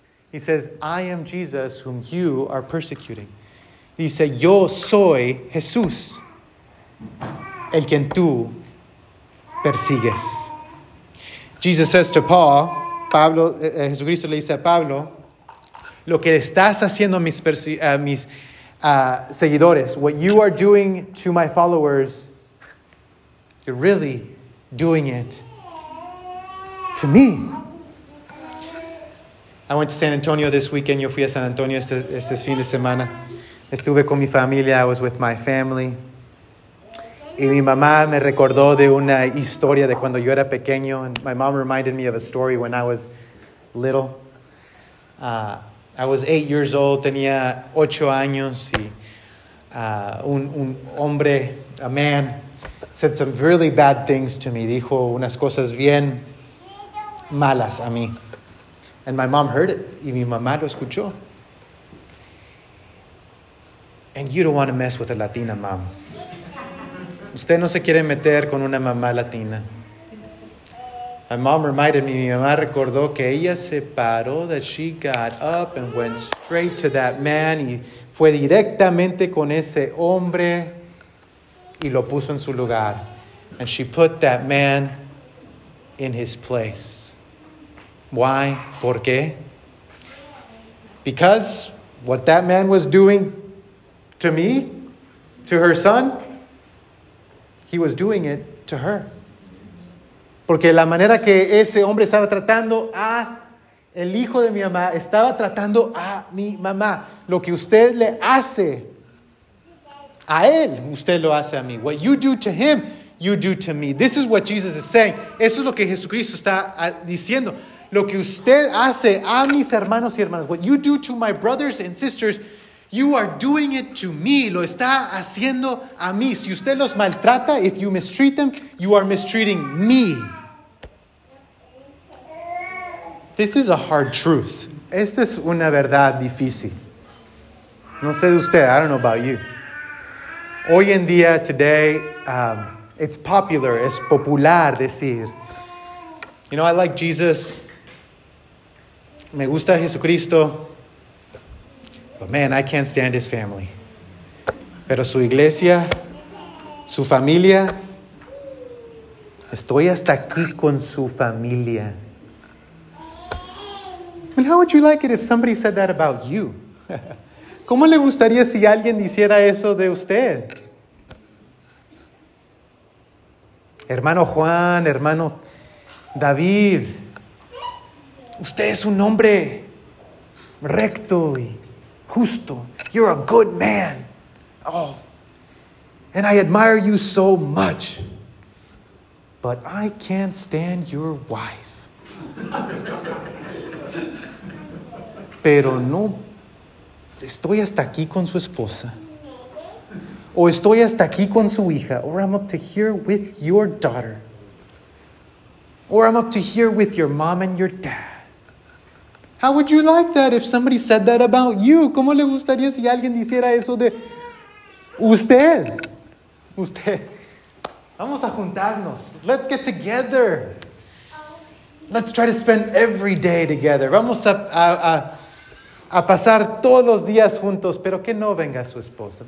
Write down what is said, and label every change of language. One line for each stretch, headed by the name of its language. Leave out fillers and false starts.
English: He says, I am Jesus whom you are persecuting.
Spanish: Dice, yo soy Jesús, el quien tú persigues.
English: Jesus says to Paul,
Spanish: Jesucristo le dice a Pablo, lo que estás haciendo a mis seguidores,
English: what you are doing to my followers, you're really doing it to me. I went to San Antonio this weekend.
Spanish: Yo fui a San Antonio este fin de semana. Estuve con mi familia.
English: I was with my family.
Spanish: Y mi mamá me recordó de una historia de cuando yo era pequeño.
English: And my mom reminded me of a story when I was little. I was 8 years old.
Spanish: Tenía 8 años.
English: Y a man, said some really bad things to me.
Spanish: Dijo unas cosas bien malas a mí.
English: And my mom heard it.
Spanish: Y mi mamá lo escuchó.
English: And you don't want to mess with a Latina mom.
Spanish: Usted no se quiere meter con una mamá latina.
English: My mom reminded me,
Spanish: mi mamá recordó que ella se paró,
English: that she got up and went straight to that man,
Spanish: y fue directamente con ese hombre y lo puso en su lugar.
English: And she put that man in his place. Why?
Spanish: ¿Por qué?
English: Because what that man was doing to me, to her son, he was doing it to her.
Spanish: Porque la manera que ese hombre estaba tratando a el hijo de mi mamá, estaba tratando a mi mamá. Lo que usted le hace a él, usted lo hace a mí.
English: What you do to him, you do to me. This is what Jesus is saying.
Spanish: Eso es lo que Jesucristo está diciendo. Lo que usted hace a mis hermanos y hermanas,
English: what you do to my brothers and sisters, you are doing it to me.
Spanish: Lo está haciendo a mí. Si usted los maltrata,
English: if you mistreat them, you are mistreating me. This is a hard truth.
Spanish: Esta es una verdad difícil. No sé de usted.
English: I don't know about you.
Spanish: Hoy en día,
English: today, it's popular.
Spanish: Es popular decir.
English: You know, I like Jesus.
Spanish: Me gusta Jesucristo.
English: But man, I can't stand his family.
Spanish: Pero su iglesia, su familia, estoy hasta aquí con su familia.
English: And how would you like it if somebody said that about you?
Spanish: ¿Cómo le gustaría si alguien hiciera eso de usted? Hermano Juan, hermano David, usted es un hombre recto y justo.
English: You're a good man. Oh, and I admire you so much. But I can't stand your wife.
Spanish: Pero no, estoy hasta aquí con su esposa. O estoy hasta aquí con su hija.
English: Or I'm up to here with your daughter. Or I'm up to here with your mom and your dad. How would you like that if somebody said that about you?
Spanish: ¿Cómo le gustaría si alguien dijera eso de usted? Usted. Vamos a juntarnos.
English: Let's get together. Let's try to spend every day together.
Spanish: Vamos a pasar todos los días juntos, pero que no venga su esposa.